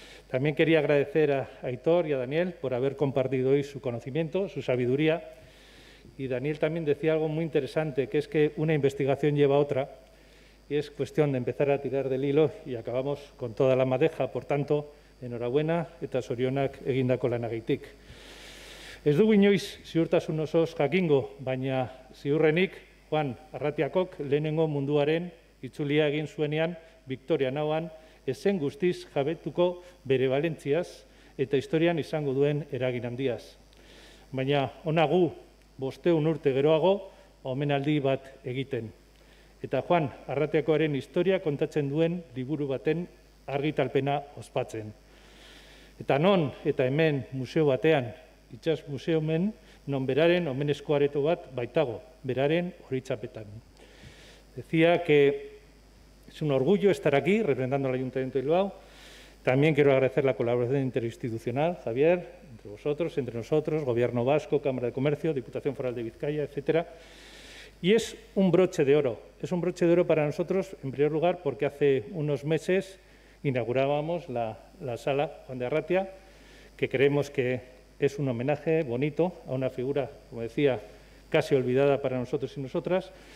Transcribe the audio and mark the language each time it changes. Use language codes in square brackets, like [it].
[es] También quería agradecer a Aitor y a Daniel por haber compartido hoy su conocimiento, su sabiduría. Y Daniel también decía algo muy interesante, que es que una investigación lleva a otra y es cuestión de empezar a tirar del hilo y acabamos con toda la madeja. Por tanto, enhorabuena [eu] eta zorionak egindako lanagaitik. Ez dugu inoiz ziurtasun osoz jakingo, baina ziurrenik Juan Arratiakok lehenengo munduaren itzulia egin zuenean Victoria nauan ezen guztiz jabetuko bere valentziaz eta historian izango duen eragin handiaz. Baina ona gu 500 urte geroago omenaldi bat egiten. Eta Juan Arratiakoaren historia kontatzen duen liburu baten argitalpena ospatzen. Eta non, eta hemen, museo batean, itxas museo men, non beraren omenezko areto bat baitago, beraren oroitzapetan. [es] Decía que es un orgullo estar aquí, representando al Ayuntamiento de Bilbao. También quiero agradecer la colaboración interinstitucional, Javier, entre vosotros, entre nosotros, Gobierno Vasco, Cámara de Comercio, Diputación Foral de Vizcaya, etcétera. Y es un broche de oro. Es un broche de oro para nosotros, en primer lugar, porque hace unos meses inaugurábamos la sala Juan de Arratia, que creemos que es un homenaje bonito a una figura, como decía, casi olvidada para nosotros y nosotras.